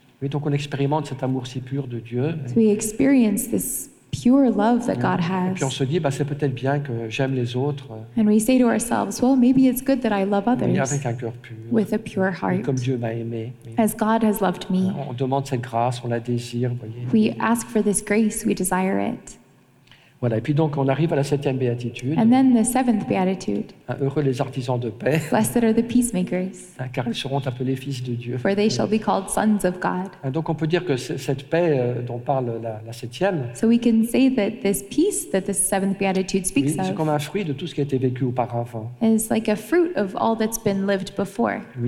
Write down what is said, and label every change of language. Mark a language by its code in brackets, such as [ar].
[fr] Oui, donc on expérimente cet amour si pur de Dieu. [en] So we experience this pure love that God has. [fr] Et puis on se dit, c'est peut-être bien que j'aime les autres. [en] And we say to ourselves, well, maybe it's good that I love others. [fr] Mais avec un cœur pur. [en] With a pure heart. [fr] Comme Dieu m'a aimé. [en] As God has loved me. [fr] On demande cette grâce, on la désire, voyez. [en] We ask for this grace, we desire it. [fr] Voilà, et puis donc on arrive à la septième béatitude. [en] And then the seventh beatitude. [fr] Heureux les artisans de paix. [en] Blessed are the peacemakers. [fr] Car ils seront appelés fils de Dieu. [en] For they shall be called sons of God. [fr] Donc on peut dire que cette paix dont parle la septième. [en] So we can say that this peace that the seventh beatitude speaks of. [fr] Oui, c'est comme un fruit de tout ce qui a été vécu auparavant. [en] It's like a fruit of all that's been lived before.